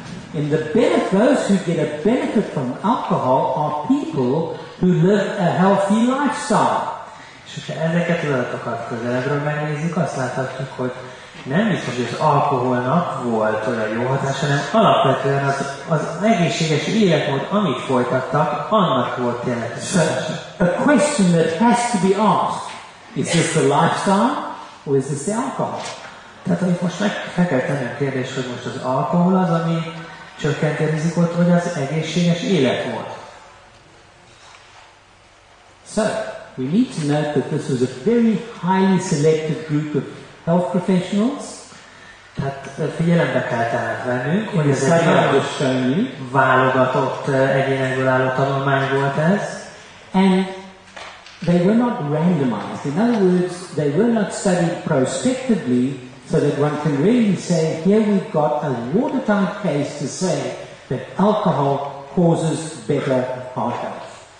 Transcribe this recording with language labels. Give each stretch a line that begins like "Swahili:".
English: In the benefit, those who get a benefit from alcohol are people who live a healthy lifestyle.
Hungarian: És hogyha ezeket az adatokat közelebbről megnézzük, azt láthatjuk, hogy nem is, hogy az alkoholnak volt olyan jó hatása, hanem alapvetően az egészséges életmód, amit folytattak, annak volt tényleg.
English: So, a question that has to be asked, is this the lifestyle, or is this the alcohol?
Hungarian: Tehát, hogy most meg kell tenni a kérdés, hogy most az alkohol az, ami csökkenti a rizikot, vagy az egészséges életmód.
English: So, we need to note that this was a very highly selected group of health professionals.
Hungarian: Tehát figyelembe kell tehát vennünk, hogy ez egy nagyon válogatott egyénekből álló tanulmány volt ez.
English: And they were not randomized. In other words, they were not studied prospectively, so that one can really say, here we've got a watertight case to say that alcohol causes better heart health.